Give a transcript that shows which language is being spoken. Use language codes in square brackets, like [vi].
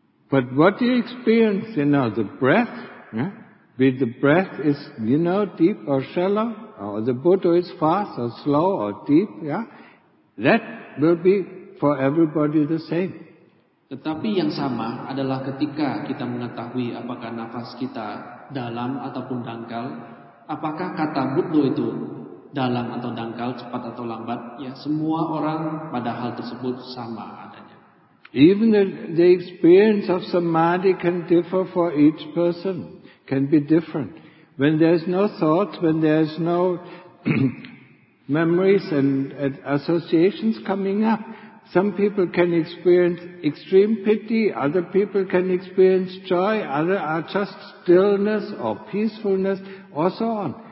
[en] But what you experience, you know, the breath, yeah, be the breath is, you know, deep or shallow, or the Buddha is fast or slow or deep, yeah, that will be for everybody the same. [id] Tetapi yang sama adalah ketika kita mengetahui apakah nafas kita dalam ataupun dangkal, apakah kata Buddha itu dalam atau dangkal, cepat atau lambat, ya semua orang pada hal tersebut sama adanya. [en] Even the experience of samadhi can differ for each person, can be different. When there is no thoughts, when there is no memories and associations coming up, some people can experience extreme pity, other people can experience joy, other are just stillness or peacefulness, or so on.